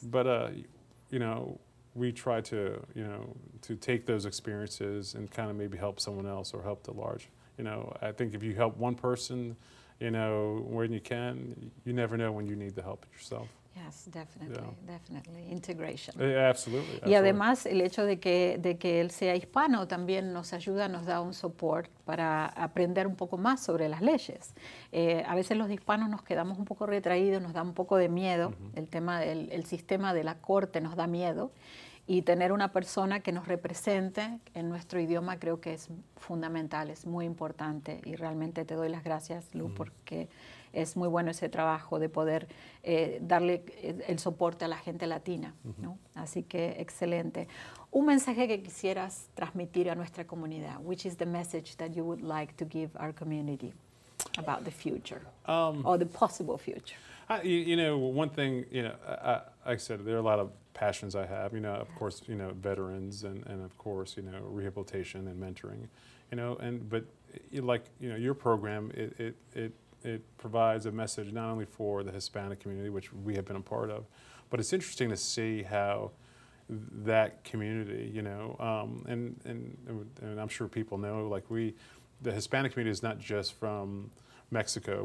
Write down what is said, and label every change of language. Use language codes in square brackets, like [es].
[en] But, you know, we try to, you know, to take those experiences and kind of maybe help someone else or help the large. You know, I think if you help one person, you know, when you can, you never know when you need the help yourself. Yes, definitely, yeah. Definitely. Integration. Absolutely. [es] Y además el hecho de que él sea hispano también nos ayuda, nos da un support para aprender un poco más sobre las leyes. A veces los hispanos nos quedamos un poco retraídos, nos da un poco de miedo. Mm-hmm. El tema del sistema de la corte nos da miedo. Y tener una persona que nos represente en nuestro idioma creo que es fundamental, es muy importante. Y realmente te doy las gracias, Lu, mm-hmm. porque es muy bueno ese trabajo de poder darle el soporte a la gente latina. Mm-hmm. ¿No? Así que excelente. Un mensaje que quisieras transmitir a nuestra comunidad. [en] Which is the message that you would like to give our community about the future or the possible future? You know, one thing, like I said, there are a lot of passions I have, you know, of course, you know, veterans and of course, you know, rehabilitation and mentoring, you know, and, but like, you know, your program, it provides a message not only for the Hispanic community, which we have been a part of, but it's interesting to see how that community, you know, and I'm sure people know, like the Hispanic community is not just from Mexico.